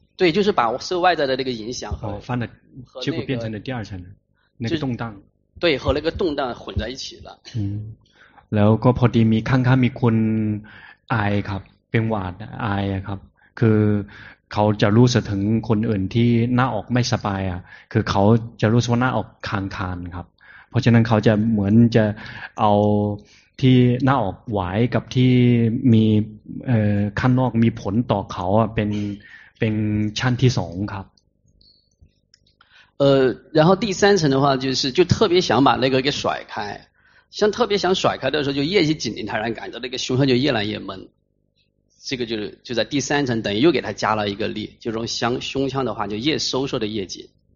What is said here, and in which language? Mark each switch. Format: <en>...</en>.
<zh>对就是把受外在的那个影响和翻了和、那个、结果变成了第二层那个动荡对和那个动荡混在一起了</zh> <th>แล้วก็พอดีมีข้างๆมีคนไอครับเป็นหวัดไอครับคือเขาจะรู้สึกถึงคนอื่นที่หน้าออกไม่สบายอ่ะคือเขาจะรู้สึกว่าหน้าออกคางๆครับเพราะฉะนั้นเขาจะเหมือนจะเอาที่หน้าออกไหวกับที่มีข้างนอกมีผลต่อเขาเป็นชั้นที่สองครับ</th> <zh>然后第三层的话就特别想把那个给甩开像特别想甩开的时候就越去紧盯它然后感觉那个胸腔就越来越闷这个就在第三层等于又给它加了一个力就用胸腔的话就越收缩的越紧</zh>